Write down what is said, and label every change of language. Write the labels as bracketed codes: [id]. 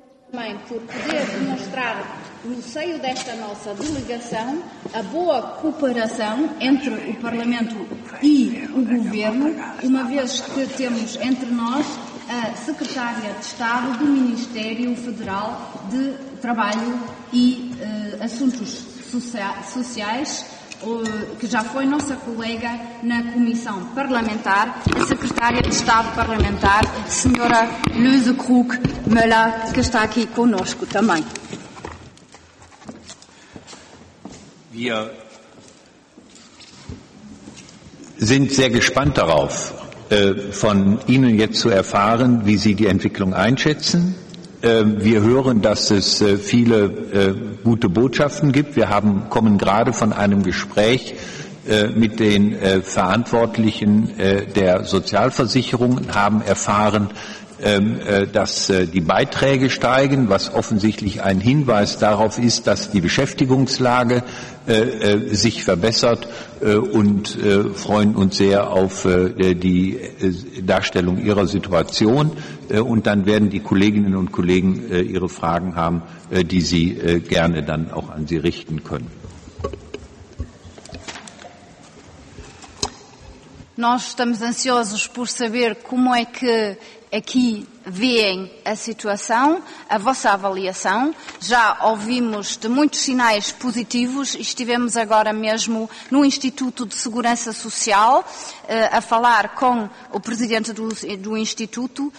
[pt] também por poder demonstrar no seio desta nossa delegação a boa cooperação entre o Parlamento e o Governo, uma vez que temos entre nós a Secretária de Estado do Ministério Federal de Trabalho e Assuntos Sociais, que já foi nossa colega na Comissão Parlamentar, a Secretária de Estado Parlamentar, Sra. Luise Krug-Müller, que está aqui conosco também. [de] Wir sind sehr gespannt darauf, von Ihnen jetzt zu erfahren, wie Sie die Entwicklung einschätzen. Wir hören, dass es viele gute Botschaften gibt. Wir kommen gerade von einem Gespräch mit den Verantwortlichen der Sozialversicherung und haben erfahren, dass die Beiträge steigen, was offensichtlich ein Hinweis darauf ist, dass die Beschäftigungslage sich verbessert, und freuen uns sehr auf die Darstellung Ihrer Situation. Und dann werden die Kolleginnen und Kollegen Ihre Fragen haben, die Sie gerne dann auch an Sie richten können. [pt] Nós estamos ansiosos por saber como é que aqui veem a situação, a vossa avaliação. Já ouvimos de muitos sinais positivos e estivemos agora mesmo no Instituto de Segurança Social a falar com o Presidente do Instituto.